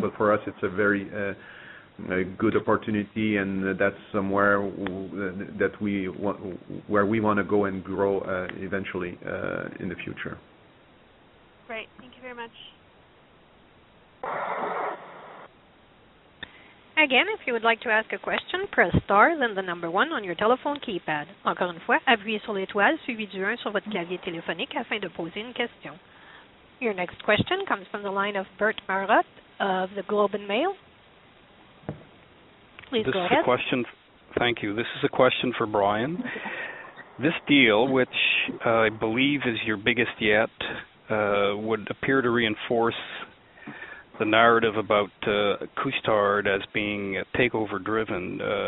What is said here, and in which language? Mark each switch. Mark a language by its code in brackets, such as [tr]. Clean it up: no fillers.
[en] But for us, it's a very a good opportunity, and that's somewhere where we want to go and grow eventually in the future. Great. Thank you very much. Again, if you would like to ask a question, press star, then the number 1 on your telephone keypad. [fr] Encore une fois, appuyez sur l'étoile suivi du 1 sur votre clavier téléphonique afin de poser une question. [en] Your next question comes from the line of Bert Marotte of the Globe and Mail. Please go ahead. This is a question. Thank you. This is a question for Brian. This deal, which I believe is your biggest yet, would appear to reinforce the narrative about Couche-Tard as being takeover-driven.